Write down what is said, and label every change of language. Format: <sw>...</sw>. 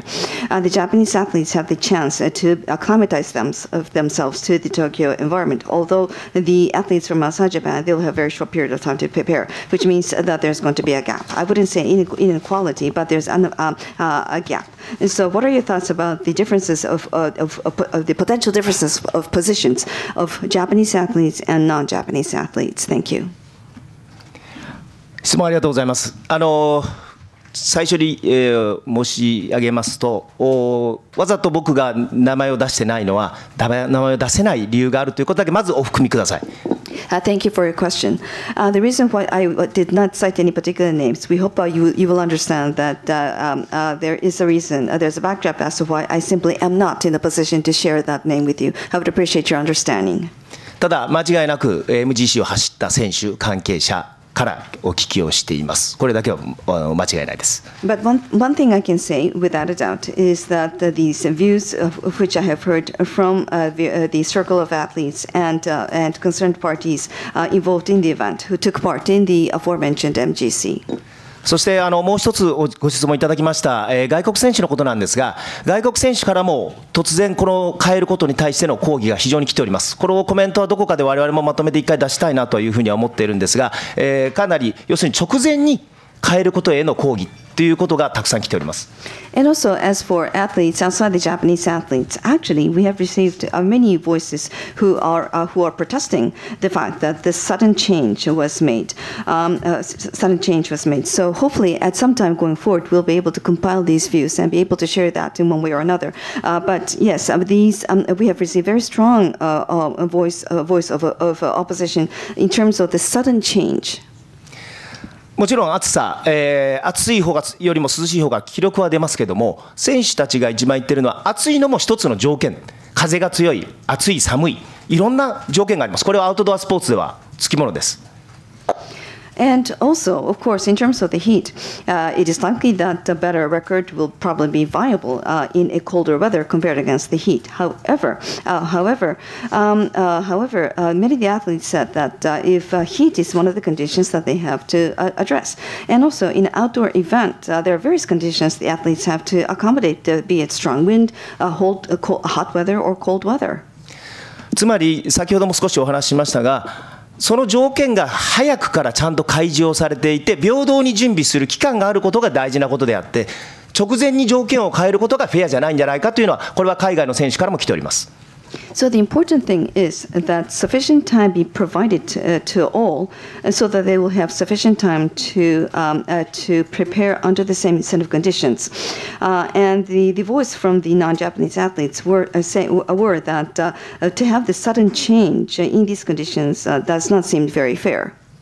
<en>The Japanese athletes have the chance to acclimatize themselves to the Tokyo environment, although the athletes from outside Japan, they will have a very short period of time to prepare, which means that there's going to be a gap. I wouldn't say inequality, but there's a gap. And so what are your thoughts about the differences of the potential differences of positions of Japanese athletes and non-Japanese athletes? Thank you.</en> <ja>質問ありがとうございます。最初に、申し上げますと、わざと僕が名前を出してないのは、名前を出せない理由があるということだけまずお含みください。</ja> <en>Thank you for your question. The reason why I did not cite any particular names, we hope you will understand that there is a reason, there's a backdrop as to why I simply am not in a position to share that name with you. I would appreciate your understanding.</en> <ja>ただ間違いなく MGC を走った選手関係者からお聞きをしています。これだけは間違いないです。</ja> <en>But one thing I can say without a doubt is that these views of which I have heard from the circle of athletes and concerned parties involved in the event who took part in the aforementioned MGC。</en> <ja>そしてもう一つご質問いただきました外国選手のことなんですが、外国選手からも突然この変えることに対しての抗議が非常に来ております。このコメントはどこかで我々もまとめて一回出したいなというふうには思っているんですが、かなり要するに直前に変えることへの抗議ということがたくさん来ております。</ja> <en>And also as for athletes outside the Japanese athletes, actually we have received many voices who are protesting the fact that this sudden change was made. So hopefully at some time going forward we'll be able to compile these views and be able to share that in one way or another. But yes, these we have received very strong voice of opposition in terms of the sudden change.</en> <ja>もちろん暑さ、暑い方がよりも涼しい方が記録は出ますけども、選手たちが一番言ってるのは、暑いのも一つの条件、風が強い、暑い、寒い、いろんな条件があります。これはアウトドアスポーツではつきものです。</ja> <en>And also, of course, in terms of the heat, it is likely that a better record will probably be viable in a colder weather compared against the heat. However, many of the athletes said that if heat is one of the conditions that they have to address, and also in an outdoor event, there are various conditions the athletes have to accommodate, be it strong wind, hot weather or cold weather.</en> <ja>つまり先ほども少しお話ししましたが、その条件が早くからちゃんと開示をされていて、平等に準備する期間があることが大事なことであって、直前に条件を変えることがフェアじゃないんじゃないかというのは、これは海外の選手からも来ております。</ja> <en>So the important thing is that sufficient time be provided to all so that they will have sufficient time to prepare under the same set of conditions. And the voice from the non-Japanese athletes were that to have the sudden change in these conditions does not seem very fair.</en>